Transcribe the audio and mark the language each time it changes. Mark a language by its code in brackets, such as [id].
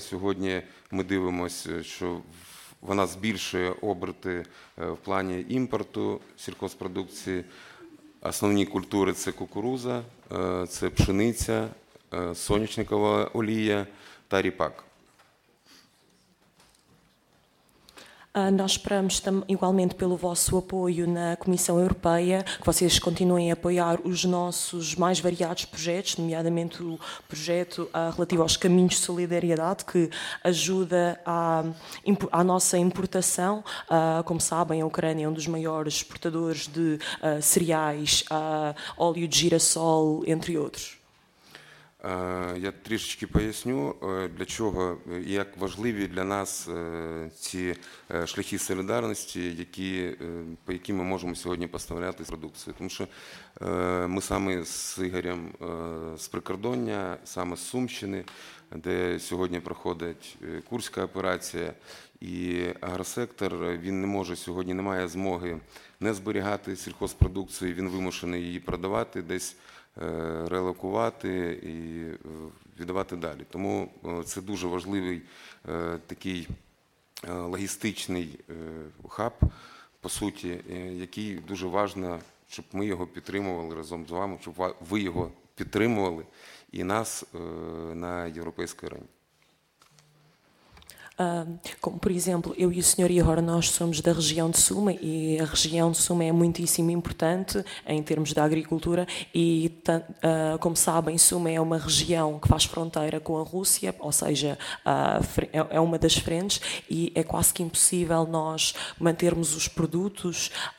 [uk] Сьогодні ми дивимося, що вона збільшує оберти в плані імпорту сільхозпродукції. Основні культури – це кукуруза, це пшениця, соняшникова олія та ріпак. [pt] Nós esperamos igualmente pelo vosso apoio na Comissão Europeia, que vocês continuem a apoiar os nossos mais variados projetos, nomeadamente o projeto relativo aos caminhos de solidariedade, que ajuda à nossa importação. Como sabem, a Ucrânia é um dos maiores exportadores de cereais, óleo de girassol, entre outros. [uk] Я трішечки поясню, для чого і як важливі для нас ці шляхи солідарності, по яким ми можемо сьогодні поставляти продукцію. Тому що ми саме з Ігорем з прикордоння, саме з Сумщини, де сьогодні проходить Курська операція, і агросектор, він не може сьогодні, немає змоги не зберігати сільхозпродукцію, він вимушений її продавати десь, релокувати і віддавати далі. Тому це дуже важливий такий логістичний хаб, по суті, який дуже важливо, щоб ми його підтримували разом з вами, щоб ви його підтримували і нас на європейській арені. [pt] Como, por exemplo, eu e o Sr. Ihor, nós somos da região de Suma e a região de Suma é muitíssimo importante em termos da agricultura e, como sabem, Suma é uma região que faz fronteira com a Rússia, ou seja, é uma das frentes e é quase que impossível nós mantermos os produtos